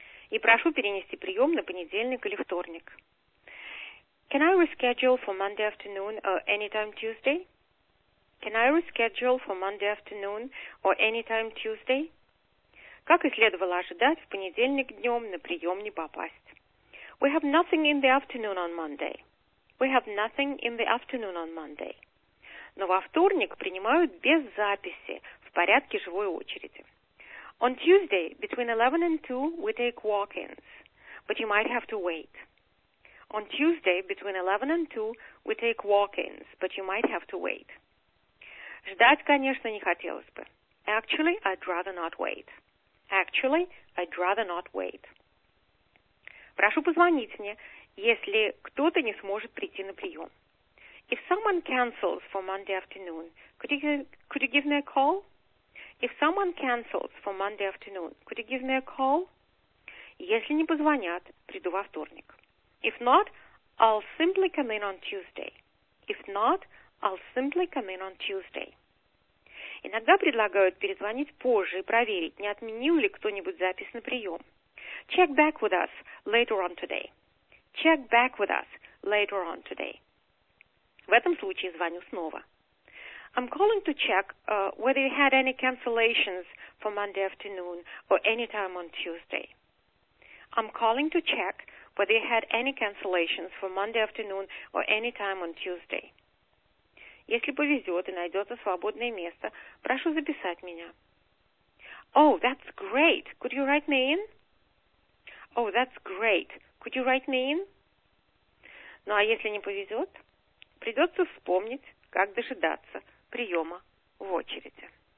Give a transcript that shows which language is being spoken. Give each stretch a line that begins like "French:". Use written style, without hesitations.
Russian: И прошу перенести прием на понедельник или вторник.
English: Can I reschedule for Monday afternoon or anytime Tuesday? Can I reschedule for Monday afternoon or anytime Tuesday?
Russian: Как и следовало ожидать, в понедельник днем на прием не попасть.
English: We have nothing in the afternoon on Monday. We have nothing in the afternoon on Monday.
Russian: Но во вторник принимают без записи, в порядке живой очереди.
English: On Tuesday, between 11 and 2, we take walk-ins. But you might have to wait. On Tuesday, between 11 and 2, we take walk-ins. But you might have to wait.
Russian: Ждать, конечно, не хотелось бы.
English: Actually, I'd rather not wait. Actually, I'd rather not wait.
Russian: Прошу позвонить мне, если кто-то не сможет прийти на прием.
English: If someone cancels for Monday afternoon, could you give me a call? If someone cancels for Monday afternoon, could you give me a call?
Russian: Если не позвонят, приду во вторник.
English: If not, I'll simply come in on Tuesday. If not, I'll simply come in on Tuesday.
Russian: Иногда предлагают перезвонить позже и проверить, не отменил ли кто-нибудь запись на прием.
English: Check back with us later on today. Check back with us later on today.
Russian: В этом случае звоню снова.
English: I'm calling to check whether you had any cancellations for Monday afternoon or any time on Tuesday. I'm calling to check whether you had any cancellations for Monday afternoon or any time on Tuesday.
Russian: Если повезет и найдется свободное место, прошу записать меня.
English: Oh, that's great. Could you write me in? Oh, that's great. Could you write me in?
Russian: Ну, а если не повезет, придется вспомнить, как дожидаться приема в очереди.